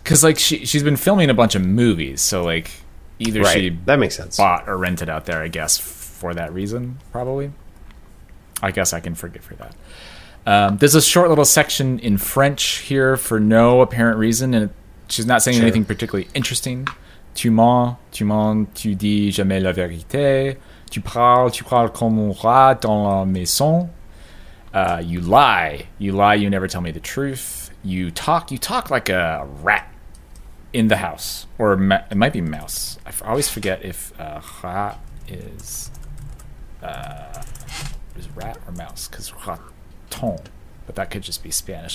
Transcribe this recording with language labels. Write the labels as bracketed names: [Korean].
[English] Because, like, she's been filming a bunch of movies, so, like... Either right. she that makes sense. Bought or rented out there, I guess, for that reason, probably. I guess I can forgive her that. There's a short little section in French here for no apparent reason, and she's not saying sure. anything particularly interesting. [French] Tu mens, tu dis jamais la vérité. Tu parles comme un rat dans la maison. [English] You lie, you never tell me the truth. You talk like a rat. In the house, or it might be mouse. I always forget if rat is rat or mouse, because raton, but that could just be Spanish.